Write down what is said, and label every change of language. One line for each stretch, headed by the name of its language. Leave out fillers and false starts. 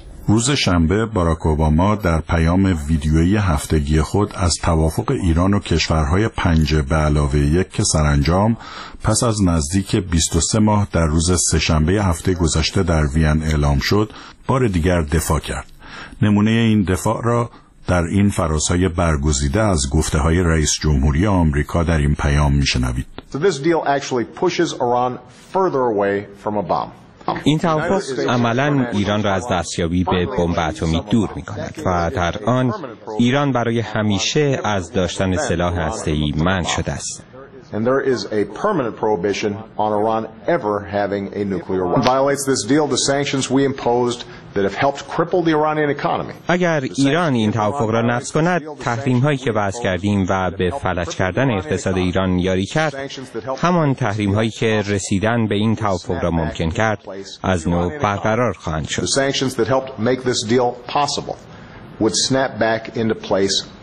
Persian: روز شنبه باراک اوباما در پیام ویدیویی هفتگی خود از توافق ایران و کشورهای 5+1 که سرانجام پس از نزدیک 23 ماه در روز سه‌شنبه هفته گذشته در وین اعلام شد، بار دیگر دفاع کرد. نمونه این دفاع را در این فراسای برگزیده از گفته‌های رئیس جمهوری آمریکا در این پیام می‌شنوید.
English: This deal actually pushes Iran further away from a bomb.
Persian: این توافق عملاً ایران را از دستیابی به بمب اتمی دور می‌کند و در آن ایران برای همیشه از داشتن سلاح هسته‌ای منع شده است.
English: And there is a permanent prohibition on Iran ever having a nuclear weapon. Violates this deal the sanctions we imposed that have helped cripple the Iranian economy.
Persian: اگر ایران این توافق را نقض کند، تحریم‌هایی که وضع کردیم و به فلج کردن اقتصاد ایران یاری کرد، همان تحریم‌هایی که رسیدن به این توافق را ممکن کرد، از نو برقرار خواهند شد.
English: The sanctions that helped make this deal possible would snap back into place.